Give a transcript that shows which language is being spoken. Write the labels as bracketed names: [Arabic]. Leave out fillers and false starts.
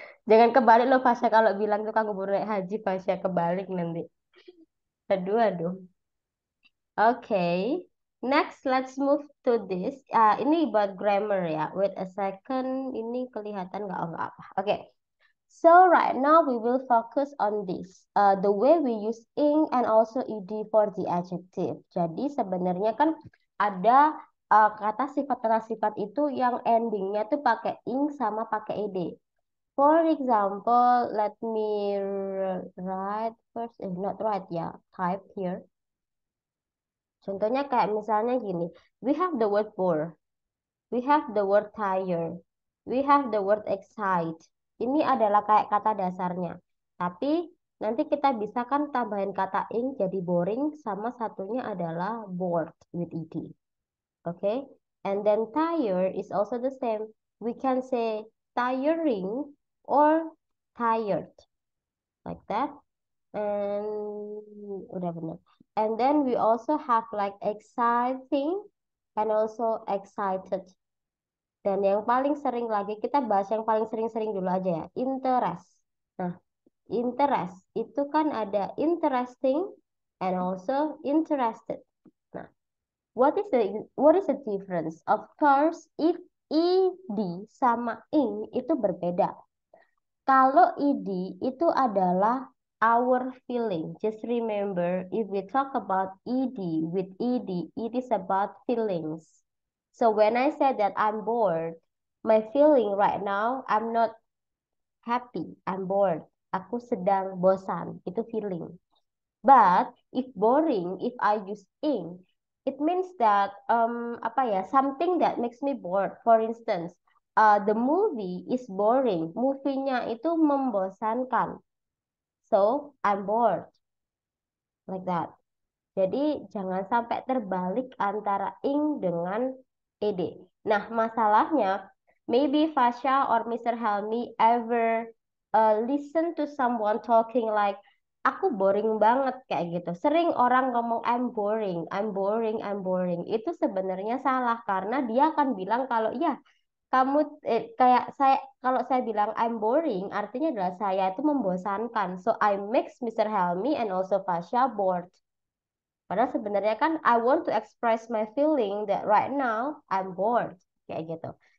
[Indonesian] Jangan kebalik loh Fasya kalau bilang Tukang Bubur Naik Haji, Fasya kebalik nanti. Aduh, aduh. Okay. [English] Next, let's move to this. [Indonesian] Ini [English] about grammar ya. Wait a second. [Indonesian] Ini kelihatan nggak apa-apa. Okay. [English] So right now we will focus on this. The way we use ing and also ed for the adjective. [Indonesian] Jadi sebenarnya kan ada kata sifat itu yang endingnya tuh pakai ing sama pakai ed. [English] For example, let me write first. If not right ya, yeah, type here. [Indonesian] Contohnya kayak misalnya gini, [English] we have the word bore, we have the word tire, we have the word excite. [Indonesian] Ini adalah kayak kata dasarnya. Tapi nanti kita bisa kan tambahin kata ing jadi boring sama satunya adalah bored with ed. Okay? [English] And then tire is also the same. We can say tiring or tired. Like that. [Indonesian] And udah benar. [English] And then we also have like exciting and also excited. [Indonesian] Dan yang paling sering lagi, kita bahas yang paling sering-sering dulu aja ya. Interest. Nah, interest itu kan ada interesting [English] and also interested. Nah, what is the difference of course if ED [Indonesian] sama ing itu berbeda? Kalau ED itu adalah [English] our feeling. Just remember, if we talk about ED with ED, it is about feelings. So when I say that I'm bored, my feeling right now, I'm not happy. I'm bored. [Indonesian] Aku sedang bosan. Itu feeling. [English] But if boring, if I use ing, it means that [Indonesian] apa ya, [English] something that makes me bored. For instance, the movie is boring. [Indonesian] Movie-nya itu membosankan. [English] So, I'm bored. Like that. [Indonesian] Jadi, jangan sampai terbalik antara ing dengan ed. [English] Nah, masalahnya, maybe Fasha or Mr. Helmi ever listen to someone talking like, [Indonesian] aku boring banget, kayak gitu. Sering orang ngomong, [English] I'm boring, I'm boring, I'm boring. [Indonesian] Itu sebenarnya salah, karena dia akan bilang kalau, ya, kamu kayak saya, kalau saya bilang [English] I'm boring, [Indonesian] artinya adalah saya itu membosankan. [English] So I makes Mr. Helmi and also Fasha bored. [Indonesian] Padahal sebenarnya kan [English] I want to express my feeling that right now I'm bored, [Indonesian] kayak gitu.